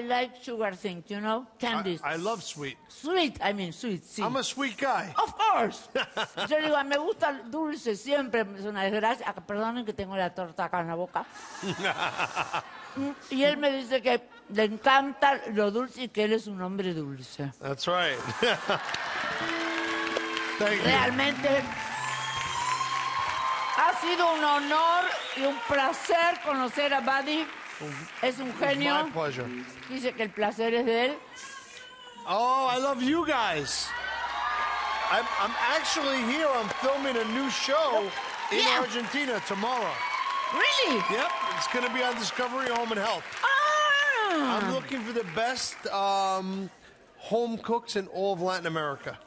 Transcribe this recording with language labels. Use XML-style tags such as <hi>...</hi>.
<en>like sugar things, you know, candies. I love sweet. Sweet, I mean sweet. Sí. I'm a sweet guy. Of course.</en> <es>Yo digo, me gusta dulce siempre. Es una desgracia. Perdonen que tengo la torta acá en la boca. Y él me dice que le encanta lo dulce y que él es un hombre dulce.</es> <en>That's right. Thank</en> <es>Realmente.</es> <en>You.</en> <es>Ha sido un honor y un placer conocer a Buddy. Es un genio.</es> <en>My pleasure.</en> <es>Dice que el placer es de él.</es> <en>Oh, I love you guys. I'm actually here. I'm filming a new show in Argentina tomorrow. Really? Yep. It's going to be on Discovery Home and Health. Ah. I'm looking for the best home cooks in all of Latin America.</en>